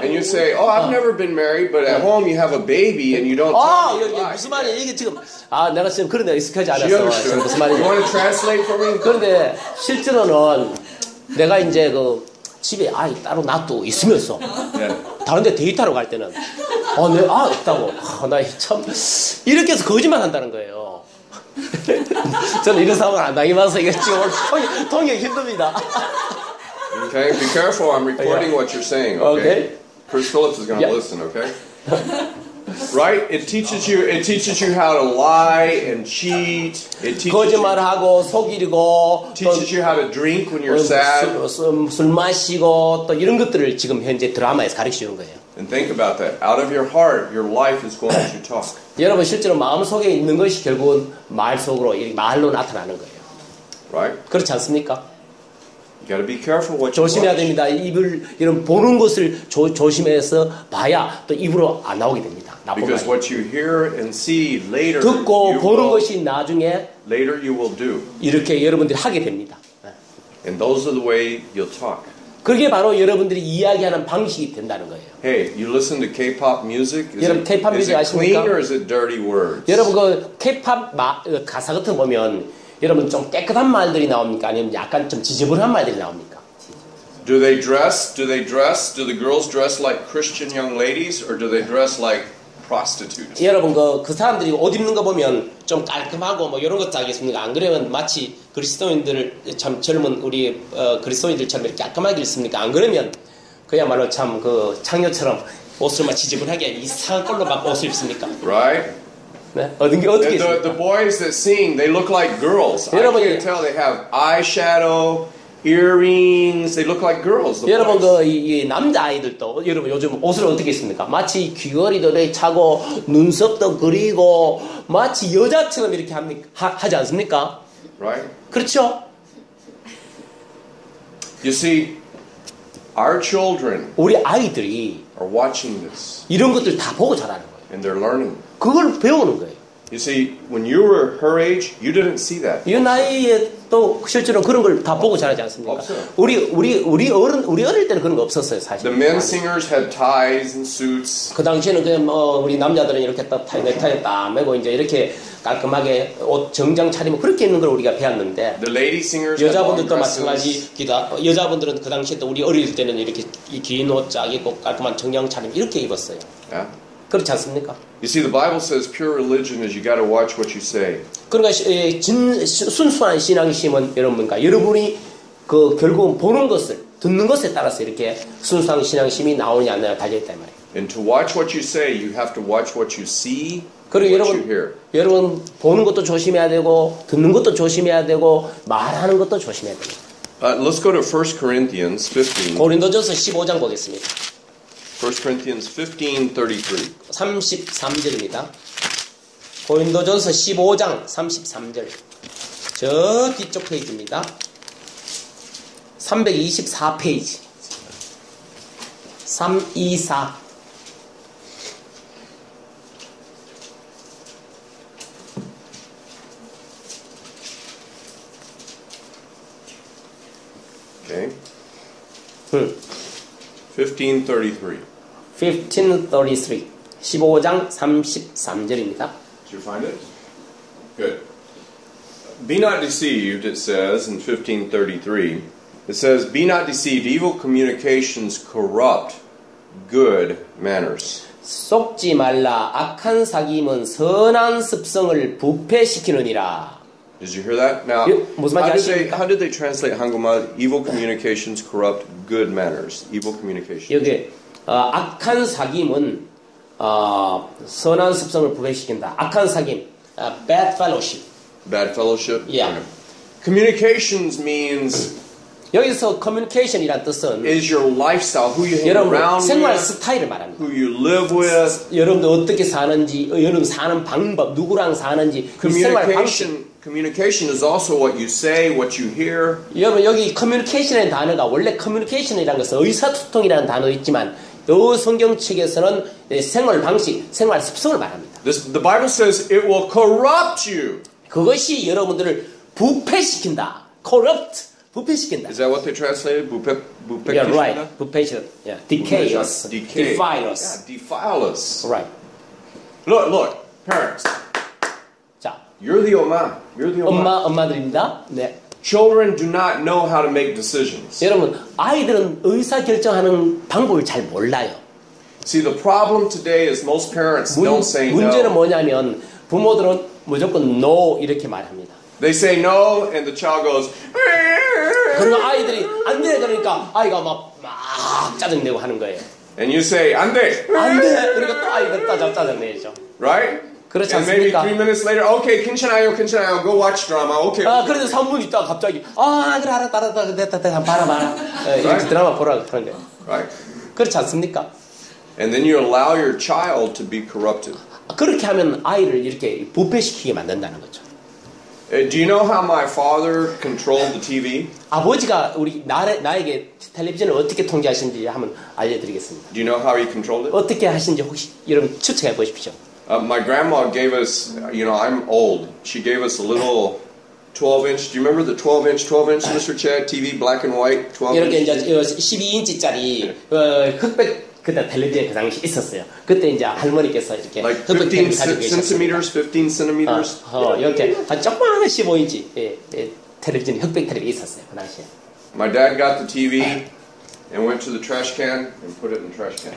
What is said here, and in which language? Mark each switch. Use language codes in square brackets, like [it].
[en] And you say, "Oh, I've never been married, but at home you have a baby and you don't tell me." [ko] 아, 무슨 말이야? 이게 지금 아, 내가 지금 그런 데 익숙하지 않아서 지금 무슨 말이야? [en] You want to translate for me? [ko] 그런데 실제로는 내가 이제 그 집에 아이 따로 놔두 있으면서 다른 데 데이트하러 갈 때는 아, 내 아 있다고. 아, 나 참 이렇게 해서 거짓말 한다는 거예요. 저는 이런 상황을 안 당해봐서 이게 지금 통역 힘듭니다. [en] Okay, be careful. I'm recording what you're saying. Okay. Okay. Chris Phillips is going to listen. Okay. Right? It teaches you. It teaches you how to lie and cheat. It teaches [ko] 거짓말하고 속이고. [en] Teaches you how to drink when you're sad. [ko] 술 마시고 또 이런 것들을 지금 현재 드라마에서 가르치는 거예요. [en] And think about that. Out of your heart, your life is going to talk. [ko] 여러분 실제로 마음 속에 있는 것이 결국은 말 속으로 말로 나타나는 거예요. [en] Right? [ko] 그렇지 않습니까? [en] Gotta be careful what you [ko] 조심해야 [en] watch. [ko] 됩니다. 입을 이런 보는 것을 조심해서 봐야 또 입으로 안 나오게 됩니다. [en] Because what you hear and see later, [ko] 듣고 보는 것이 나중에 [en] later you will do. [ko] 이렇게 여러분들이 하게 됩니다. [en] And those are the way you'll talk. [ko] 그게 바로 여러분들이 이야기하는 방식이 된다는 거예요. [en] Hey, you listen to K-pop music? [ko] 여러분 K-pop 뮤직 아십니까? [en] Is it clean or is it dirty words? [ko] 여러분 그 K-pop 가사 같은 거 보면 여러분 좀 깨끗한 말들이 나옵니까? 아니면 약간 좀 지저분한 말들이 나옵니까? [en] Do they dress? Do they dress? Do the girls dress like Christian young ladies or do they dress like prostitutes? [ko] 여러분 그 사람들이 옷 입는 거 보면 좀 깔끔하고 뭐 이런 것도 알겠습니까? 안 그러면 마치 그리스도인들 참 젊은 우리 그리스도인들처럼 이렇게 깔끔하게 있습니까? 안 그러면 그야말로 참 그 창녀처럼 옷을 막 지저분하게 이상한 걸로 막 옷을 입습니까? [en] Right? [ko] 네? 어떤 게 어떻게 [en] the boys that sing, they look like girls. [ko] 여러분, [en] I can't tell. They have eyeshadow, earrings. They look like girls. [ko] 여러분 그이 남자 아이들도 여러분 요즘 옷을 어떻게 입습니까? 마치 귀걸이도 차고 눈썹도 그리고 마치 여자처럼 이렇게 하지 않습니까? [en] Right. [ko] 그렇죠. [en] You see, our children [ko] 우리 아이들이 [en] are watching this. [ko] 이런 것들 다 보고 자라는 거예요. [en] And they're learning. [ko] 그걸 배우는 거예요. [en] You see, when you were her age, you didn't see that. [ko] 이 나이에 또 실제로 그런 걸 다 보고 자라지 않습니까? 없어요. 우리 어릴 때는 그런 거 없었어요, 사실. [en] The men singers had ties and suits. [ko] 그 당시에는 그냥 뭐 우리 남자들은 이렇게 딱 타이 넥타이 딱 메고 이제 이렇게 깔끔하게 옷 정장 차리면 그렇게 있는 걸 우리가 배웠는데. [en] The lady singers. [ko] 여자분들도 마찬가지. 기다 여자분들은 그 당시에 또 우리 어릴 때는 이렇게 긴 옷 짝 입고 깔끔한 정장 차림 이렇게 입었어요. 아. 그렇지 않습니까? [en] You see, the Bible says pure religion is you got to watch what you say. [ko] 그러니까 순수한 신앙심은 여러분과 여러분이 그 결국은 보는 것을 듣는 것에 따라서 이렇게 순수한 신앙심이 나오냐 안 나오냐 달렸단 말이에요. [en] And to watch what you say, you have to watch what you see. [ko] 그리고 여러분, [en] you hear. [ko] 여러분 보는 것도 조심해야 되고 듣는 것도 조심해야 되고 말하는 것도 조심해야 됩니다. [en] Let's go to 1 Corinthians 15. [ko] 고린도전서 15장 보겠습니다. [en] 1 Corinthians 15:33. [ko] 33절입니다. 고린도전서 15장 33절. 저 뒤쪽 페이지입니다. 324페이지. 324. 오케이. 15:33. 15:33. 15장 33절입니다. [en] Did you find it? Good. Be not deceived, it says in 15:33. It says, be not deceived, evil communications corrupt good manners. [ko] 속지 말라, 악한 사귐은 선한 습성을 부패시키느니라. [en] Did you hear that? Now, how did they translate 한국말? Evil communications corrupt good manners. Evil communications. [ko] 여기. 악한 사귐은 선한 습성을 부패시킨다. 악한 사귐, [en] bad fellowship. Bad fellowship. Yeah. Okay. Communications means [ko] 여기서 communication이란 뜻은 [en] is your lifestyle, who you hang around with, [ko] 생활 스타일을 말합니다. [en] Who you live with, [ko] 여러분들 어떻게 사는지, 여러분 사는 방법, 누구랑 사는지, 생활 방식. [en] Communication is also what you say, what you hear. [ko] 여러분 여기 communication이라는 단어가 원래 communication이라는 것은 의사소통이라는 단어 있지만 이 성경 측에서는 생활 방식, 생활 습성을 말합니다. [en] The Bible says it will corrupt you. [ko] 그것이 여러분들을 부패시킨다. Corrupt, 부패시킨다. [en] Is that what they translated? [ko] 부패시킨다? [en] Yeah, right. [ko] 부패시킨다. [en] Yeah. Decay us. Decay. Defile us. Yeah, defile us. Right. Look, parents. You're the 엄마. You're the 엄마. [ko] 엄마들입니다. 네. [en] Children do not know how to make decisions. [ko] 여러분, 아이들은 의사 결정하는 방법을 잘 몰라요. [en] See, the problem today is most parents don't say no. [ko] 문제는 뭐냐면 부모들은 무조건 no 이렇게 말합니다. [en] They say no and the child goes. [ko] 그러면 아이들이 안 돼 그러니까 아이가 막 짜증 내고 하는 거예요. [en] And you say [ko] 안 돼. 안 돼. 그러니까 또 아이들 또 짜증 내죠. [en] Right? [ko] 그렇지 [en] And [ko] 않습니까? [en] maybe 3 minutes later, okay, [ko] 괜찮아요, 괜찮아요, [en] go watch drama, okay. [ko] 아, 그래도 3분 있다 갑자기, 아, 그래, 알았다, 됐다, 봐라. [en] Right? [ko] 드라마 보라 그러는데. [en] Right. [ko] 그렇지 않습니까? [en] And then you allow your child to be corrupted. [ko] 그렇게 하면 아이를 이렇게 부패시키게 만든다는 거죠. [en] Do you know how my father controlled the TV? [ko] 아버지가 우리 나에게 텔레비전을 어떻게 통제하시는지 한번 알려드리겠습니다. [en] Do you know how he controlled it? [ko] 어떻게 하시는지 혹시 여러분 추측해 보십시오. [en] My grandma gave us, you know, I'm old. She gave us a little 12-inch. Do you remember the 12-inch, 12-inch, Mr. Chad, TV, black and white, 12-inch? [ko] 이렇게 이제 12인치짜리 흑백 그때 텔레비전 그 당시 있었어요. 그때 이제 할머니께서 이렇게 [en] like 15 centimeters, 15 centimeters. [ko] 이렇게 조그마한 15인치 텔레비전 흑백 텔레비전 있었어요 그 당시에. [en] My dad got the TV and went to the trash can and put it in the trash can.